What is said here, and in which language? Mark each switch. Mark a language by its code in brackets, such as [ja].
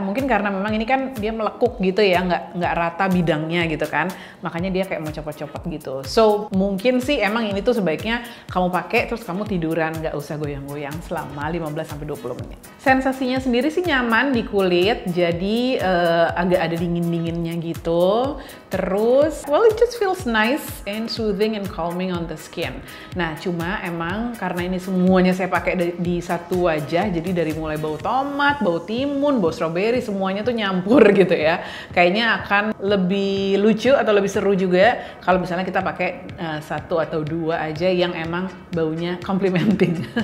[id] Mungkin karena memang ini kan dia melekuk gitu ya, nggak rata bidangnya gitu kan. Makanya dia kayak mau copot-copot gitu. So mungkin sih emang ini tuh sebaiknya kamu pakai terus kamu tiduran, nggak usah goyang-goyang selama 15-20 menit. Sensasinya sendiri sih nyaman di kulit, jadi agak ada dingin-dinginnya gitu. Terus, [en] well it just feels nice and soothing and calming on the skin. [id] Nah, cuma emang karena ini semuanya saya pakai di satu wajah, jadi dari mulai bau tomat, bau timun, bau strawberry, semuanya tuh nyampur gitu ya. Kayaknya akan lebih lucu atau lebih seru juga kalau misalnya kita pakai satu atau dua aja yang emang baunya complimenting.